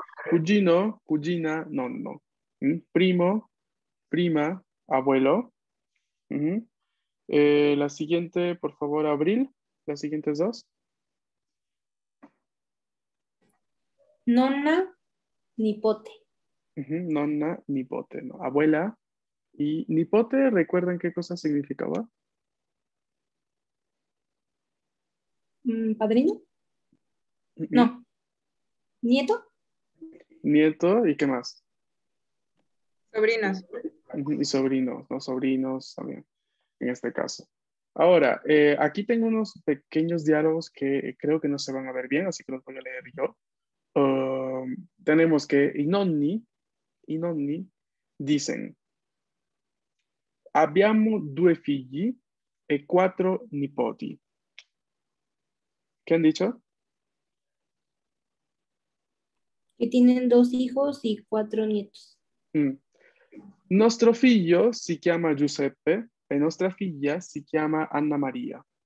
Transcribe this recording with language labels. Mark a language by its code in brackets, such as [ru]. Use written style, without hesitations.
[it] Cugino, cugina, nonno. [es] Primo, prima, abuelo. La siguiente, por favor, Abril. Las siguientes dos. [it] Nonna, nipote. Nonna, nipote, [es] ¿no? Abuela. ¿Y nipote, recuerdan qué cosa significaba? ¿Padrino? No. ¿Nieto? ¿Nieto? ¿Y qué más? Sobrinos. Y sobrinos, ¿no? Sobrinos también, en este caso. Ahora, aquí tengo unos pequeños diálogos que creo que no se van a ver bien, así que los voy a leer yo. Tenemos que Inonni dicen: [it] Abbiamo due figli e quattro nipoti. [es] ¿Qué han dicho? Que tienen dos hijos y cuatro nietos. [it] Nostro figlio si chiama Giuseppe e nostra figlia si chiama Anna Maria.